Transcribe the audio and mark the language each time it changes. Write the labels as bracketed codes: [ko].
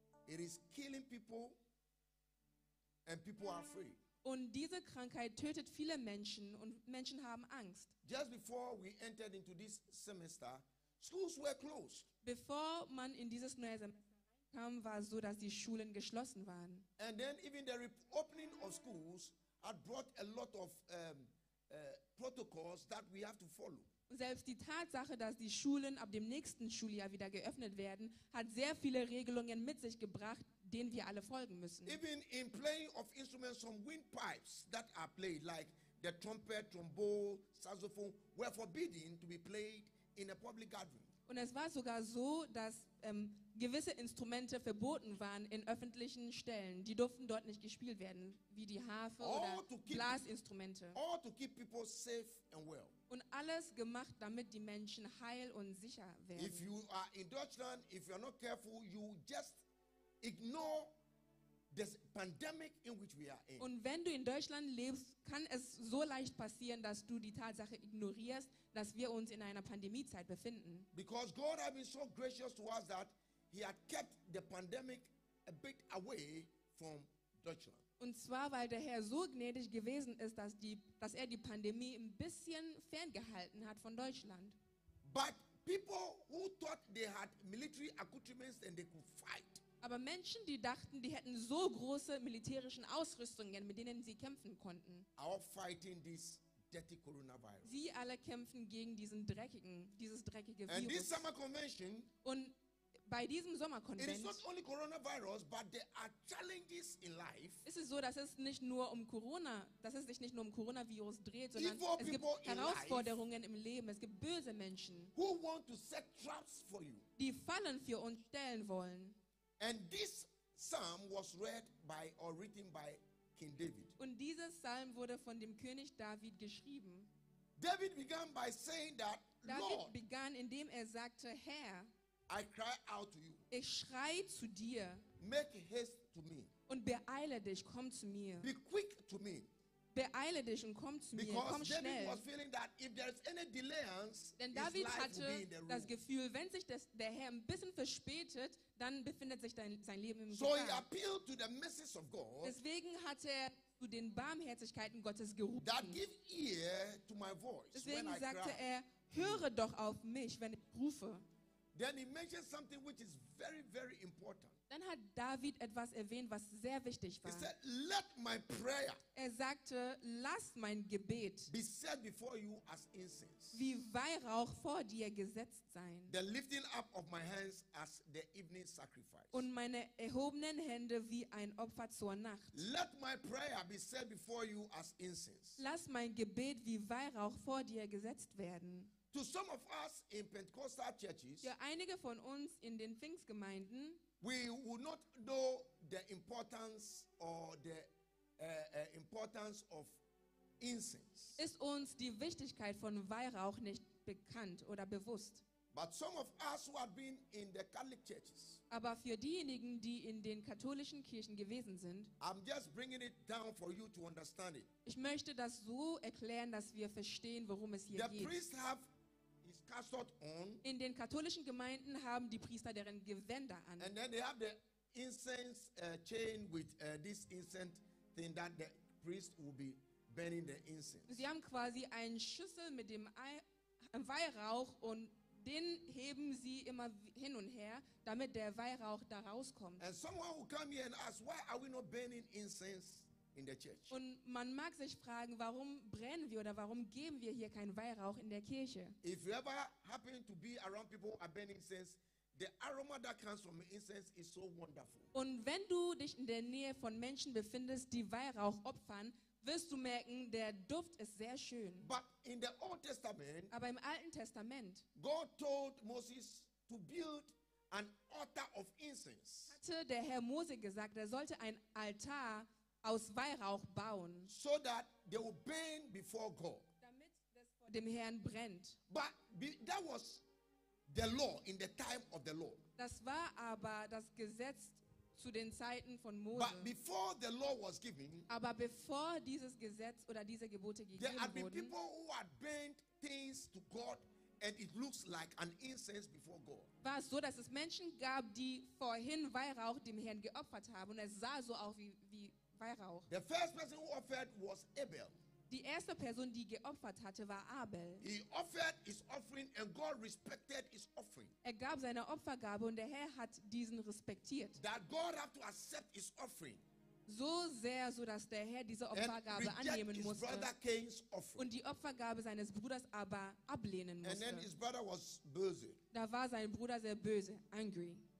[en] It is killing people and people are afraid. [de] Und diese Krankheit tötet viele Menschen und Menschen haben Angst. [en] Just before we entered into this semester, schools were closed. [de] Bevor man in dieses neue Semester kam, war es so, dass die Schulen geschlossen waren. [en] And then even the reopening of schools had brought a lot of protocols that we have to follow. [de] Selbst die Tatsache, dass die Schulen ab dem nächsten Schuljahr wieder geöffnet werden, hat sehr viele Regelungen mit sich gebracht, denen wir alle folgen müssen. [en] Even in playing of instruments, some windpipes that are played, like the trumpet, trombone, saxophone, were forbidden to be played in a public gathering. [de] Und es war sogar so, dass gewisse Instrumente verboten waren in öffentlichen Stellen. Die durften dort nicht gespielt werden, wie die Harfe oder Blasinstrumente. [en] All to keep people safe and well. [de] Und alles gemacht, damit die Menschen heil und sicher werden. [en] If you are in Deutschland, if you are not careful, you just ignore this pandemic in which we are in. [de] Und wenn du in Deutschland lebst, kann es so leicht passieren, dass du die Tatsache ignorierst, dass wir uns in einer Pandemiezeit befinden. [en] Because God has been so gracious to us that he had kept the pandemic a bit away from Deutschland. [de] Und zwar, weil der Herr so gnädig gewesen ist, dass er die Pandemie ein bisschen ferngehalten hat von Deutschland. [en] But people who thought they had military accoutrements and they could fight. [de] Aber Menschen, die dachten, die hätten so große militärische Ausrüstungen, mit denen sie kämpfen konnten. [en] Are fighting this dirty coronavirus. [de] Sie alle kämpfen gegen dieses dreckige Virus. [en] And this summer convention, [de] und bei diesem Sommerkonvent, [en] it is not only coronavirus, but there are challenges in life. [de] Ist es so, dass es nicht nur um Corona, dass es sich nicht nur um Coronavirus dreht, sondern es gibt Herausforderungen im Leben. Es gibt böse Menschen, [en] who want to set traps for you. [de] Die Fallen für uns stellen wollen. [en] And this psalm was read by or written by King David. [de] Und dieser Psalm wurde von dem König David geschrieben. [en] David began by saying that, [de] David [en] Lord, [de] begann, indem er sagte, Herr, [en] I cry out to you. [de] Ich schrei zu dir. [en] Make haste to me. [de] Und beeile dich, komm zu mir. [en] Be quick to me. [de] Beeile dich und komm zu [en] Because [de] mir, komm [en] David [de] schnell. [en] Was feeling that if there's any delayance, [de] denn David [en] his life [de] hatte [en] will be in the room. [de] Das Gefühl, wenn sich der Herr ein bisschen verspätet, dann befindet sich sein Leben im so Gefahr. [en] He appealed to the mercies of God. [de] Deswegen hat er zu den Barmherzigkeiten Gottes gerufen. [en] That give ear to my voice [de] Deswegen [en] when I [de] sagte [en] cry. [de] Er, höre doch auf mich, wenn ich rufe. [en] Then he mentioned something which is very, very important. [de] Dann hat David etwas erwähnt, was sehr wichtig war. [en] He said, "Let my prayer." [de] Er sagte, lass mein Gebet [en] be set before you as incense. [de] Wie Weihrauch vor dir gesetzt sein. [en] The lifting up of my hands as the evening sacrifice. [de] Und meine erhobenen Hände wie ein Opfer zur Nacht. [en] Let my prayer be set before you as incense. [de] Lass mein Gebet wie Weihrauch vor dir gesetzt werden. [en] To some of us in Pentecostal churches, [de] für einige von uns in den Pfingstgemeinden, [en] we would not know the importance or the importance of incense. [de] Ist uns die Wichtigkeit von Weihrauch nicht bekannt oder bewusst? [en] But some of us who have been in the Catholic churches, [de] aber für diejenigen, die in den katholischen Kirchen gewesen sind, [en] I'm just bringing it down for you to understand it. [de] Ich möchte das so erklären, dass wir verstehen, worum es hier [en] the [de] geht. [en] The priests have is cast out on. [de] In den katholischen Gemeinden haben die Priester deren Gewänder an. [en] And then they have the incense chain with this incense thing that the priest will be burning the incense. [de] Sie haben quasi einen Schüssel mit dem Weihrauch und den heben sie immer hin und her, damit der Weihrauch da rauskommt. [en] And someone will come here and ask, why are we not burning incense in the church? [de] Und man mag sich fragen, warum brennen wir oder warum geben wir hier keinen Weihrauch in der Kirche? [en] If you ever happen to be around people who are burning incense, the aroma that comes from incense is so wonderful. [de] Und wenn du dich in der Nähe von Menschen befindest, die Weihrauch opfern, wirst du merken, der Duft ist sehr schön. [en] But in the Old Testament, [de] aber im Alten Testament, [en] God told Moses to build an altar of incense. [de] Hatte der Herr Mose gesagt, er sollte ein Altar aus Weihrauch bauen, [en] so that they will burn before God, [de] damit das vor dem Herrn brennt. [en] But that was the law in the time of the law. [de] Das war aber das Gesetz zu den Zeiten von Mose. [en] But before the law was given, [de] aber bevor dieses Gesetz oder diese Gebote gegeben wurden, [en] there had been people who had burnt things to God, and it looks like an incense before God. [de] War es so, dass es Menschen gab, die vorhin Weihrauch dem Herrn geopfert haben, und es sah so aus wie Weihrauch. [en] The first person who offered was Abel. [de] Die erste Person, die geopfert hatte, war Abel. [en] He offered his offering and God respected his offering. [de] Er gab seine Opfergabe und der Herr hat diesen respektiert. [en] That God had to accept his offering. [de] So sehr, so dass der Herr diese Opfergabe annehmen musste. [en] Brother Cain's offering. [de] Und die Opfergabe seines Bruders aber ablehnen musste. [en] And then his brother was [de] böse. Da war sein Bruder sehr böse, [en] angry.